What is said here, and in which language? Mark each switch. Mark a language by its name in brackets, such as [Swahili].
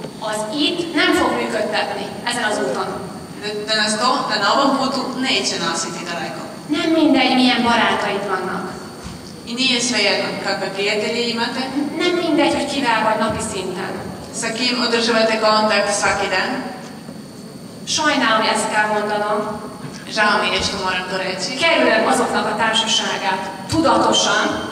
[Hungarian] Az itt nem fog működtetni, ezen az úton. [Serbian] De az to, de na ovom putu neće nositi daleko. [Hungarian] Nem mindegy, milyen barátaid vannak. [Serbian] I nije sve jedno, kakve prijatelje imate. [Hungarian] Nem mindegy, hogy kivel vagy napi szinten. [Serbian] Sa kim održavate kontakt svaki den? [Hungarian] Sajnálom, ezt kell mondanom. [Serbian] Žao mi je što moram to reći. [Hungarian] Kerülöm azoknak a társaságát, tudatosan.